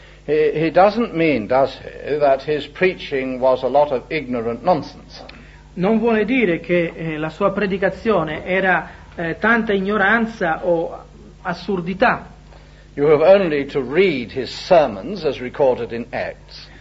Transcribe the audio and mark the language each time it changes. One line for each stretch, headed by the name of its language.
English: He doesn't mean, does he, that his preaching was a lot of ignorant nonsense.
Italian: Non vuole dire che la sua predicazione era tanta ignoranza o assurdità.
English: You have only to read his sermons as recorded in Acts.